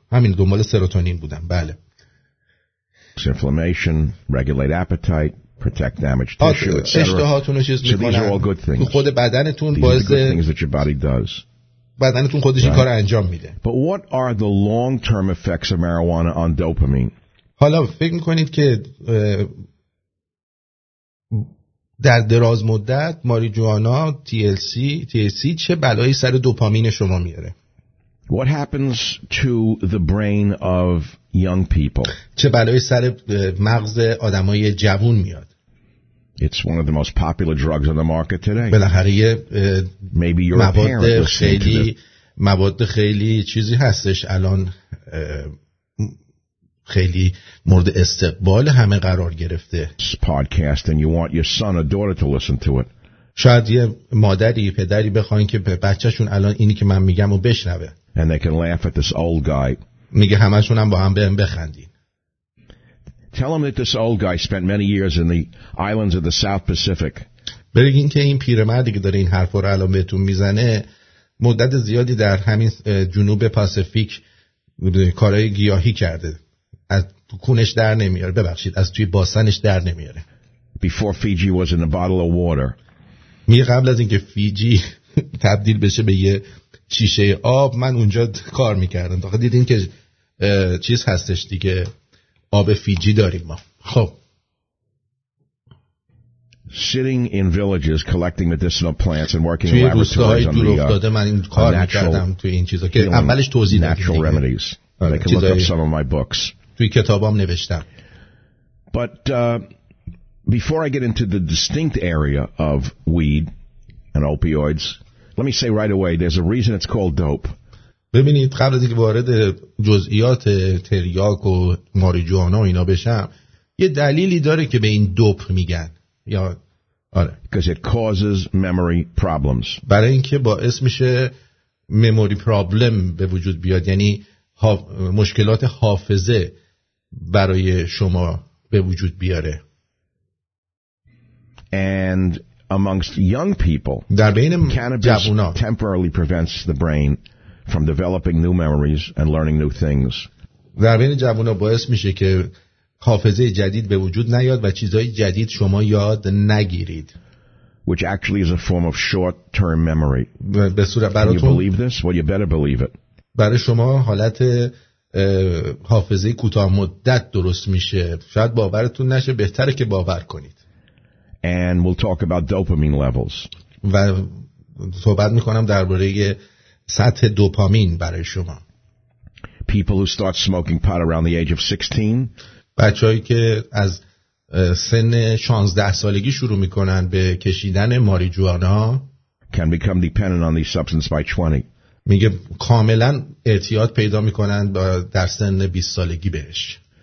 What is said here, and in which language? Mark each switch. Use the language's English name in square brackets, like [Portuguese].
[Persian] همین دنبال سروتونین بودم. بله. [English] Inflammation, regulate appetite. Protect damaged tissue, etc. [Persian] اشتهاتون رو چیز میکنن. [English] So these are all good things. [Persian] خود بدنتون باعث [English] the things that your body does. [Persian] بدنتون خودش این کار رو انجام میده. [English] But what are the long-term effects of marijuana on dopamine? [Persian] حالا فکر میکنید که در دراز مدت ماریجوانا THC چه بلایی سر دوپامین شما میاره؟ [English] What happens to the brain of young people? [Persian] چه بلایی سر مغز آدمای جوان میاد؟ [English] It's one of the most popular drugs on the market today. [Persian] بالاخره [English] maybe your [Persian] مواد خیلی چیزی هستش الان خیلی مورد استقبال همه قرار گرفته. [English] Podcast and you want your son or daughter to listen to it. [Persian] شاید یه مادری پدری بخواین که بچه‌شون الان اینی که من میگم رو بشنوه. [English] And they can laugh at this old guy. [Persian] میگه همشون هم با هم بهم بخندین. [English] Tell him that this old guy spent many years in the islands of the South Pacific. [Persian] بگین که این پیرمردی که داره این حرفا رو الان بهتون میزنه مدت زیادی در همین جنوب پاسیفیک کارهای گیاهی کرده. از کونش در نمیاره. ببخشید از توی باسنش در نمیاره. [English] Before Fiji was in a bottle of water. [Persian] میگه قبل از اینکه فیجی تبدیل بشه به یه شیشه آب من اونجا کار میکردم. تا دیدین که چیز هستش دیگه آب فیجی داریم ما. خب [English] sitting in villages collecting medicinal plants and working in laboratories on the natural remedies. They can look up some of my books. [Persian] توی کتابام نوشتم. [English] But before I get into the distinct area of weed and opioids, let me say right away, there's a reason it's called dope. [Persian] ببینید قبل از اینکه وارد جزئیات تریاک و ماریجوانا و اینا بشم یه دلیلی داره که به این دوپ میگن یا آره [English] because it causes memory problems. [Persian] برای اینکه باعث میشه مموری پرابلم به وجود بیاد یعنی مشکلات حافظه برای شما به وجود بیاره [English] and amongst young people [Persian] در بین جوونا [English] temporarily prevents the brain from developing new memories and learning new things. [Persian] در بین جوونا باعث میشه که حافظه جدید به وجود نیاد و چیزهای جدید شما یاد نگیرید. [English] Which actually is a form of short-term memory. [Persian] به صورت براتون [English] Can you believe this? Well, you better believe it. [Persian] برای شما حالت حافظه کوتاه مدت درست میشه. شاید باورتون نشه بهتره که باور کنید. [English] And we'll talk about dopamine levels. [Persian] و صحبت میکنم درباره سطح دوپامین برای شما. [English] People who start smoking pot around the age of 16. [Persian] بچه‌هایی که از سن 16 سالگی شروع می‌کنن به کشیدن ماریجوانا [English] can become dependent on the substance by 20. [Persian] میگه کاملا اعتیاد پیدا می‌کنن در سن 20 سالگی بهش.